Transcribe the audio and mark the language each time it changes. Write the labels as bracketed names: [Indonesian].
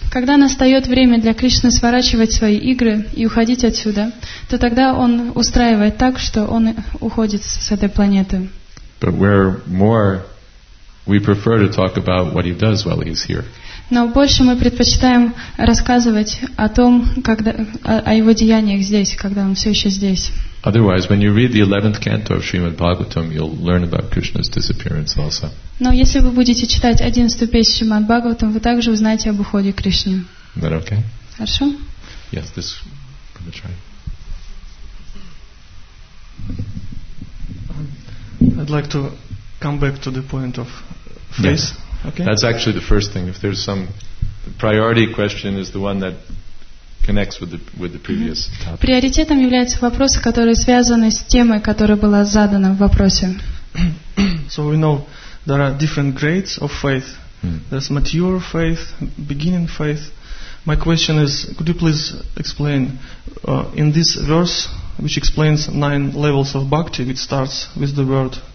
[Russian] Когда настает время для Кришны сворачивать свои игры и уходить отсюда, то тогда он устраивает так, что он уходит с этой планеты. [English] But we're more. We prefer to talk about what he does while he's here. [Russian] Но больше мы предпочитаем рассказывать о том, когда о его деяниях здесь, когда он все еще здесь. [English] Otherwise, when you read the 11th canto of Srimad Bhagavatam, you'll learn about Krishna's disappearance also. [Russian] Но если вы будете читать 11-ю песню Шримад Бхагаватам, вы также узнаете об уходе Кришны. [English] Is that okay? [Russian] Хорошо. [English] Yes, this. Let me try. I'd like to. Come back to the point of faith. Yes. Okay. That's actually the first thing. If there's some the priority question, is the one that connects with the previous topic. [Russian] Приоритетом являются вопросы, которые связаны с темой, которая была задана в вопросе. [English] So we know there are different grades of faith. There's mature faith, beginning faith. My question is, could you please explain in this verse, which explains 9 levels of bhakti, which starts with the word.